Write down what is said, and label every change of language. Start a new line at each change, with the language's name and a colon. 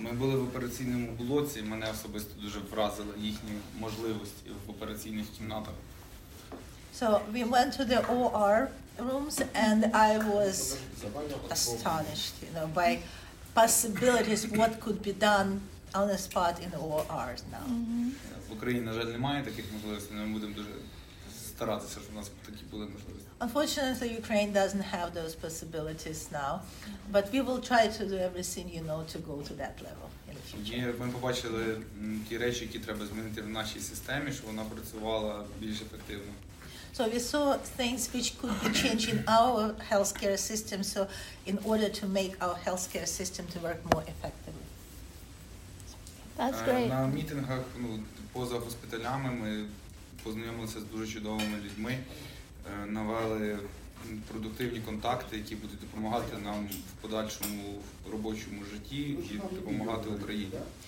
Ukrainian: Ми були в операційному блоці, мене особисто дуже вразили їхні можливості в операційних кімнатах.
English: So we went to the OR rooms, and I was astonished, you know, by possibilities what could be done on the spot in the ORs now.
Ukrainian: В Україні, на жаль, немає таких можливостей, ми будемо дуже старатися, щоб у нас такі були можливості.
English: Unfortunately, Ukraine doesn't have those possibilities now, but we will try to do everything, you know, to go to that level in the future.
Ukrainian: Ми побачили ті речі, які треба змінити в нашій системі, щоб вона працювала більш ефективно.
English: So we saw things which could be changed in our healthcare system, so in order to make our healthcare system to work more effectively. That's great.
Ukrainian: На мітингах, ну, поза госпіталями, ми познайомилися з дуже чудовими людьми, навели продуктивні контакти, які будуть допомагати нам в подальшому робочому житті і допомагати Україні.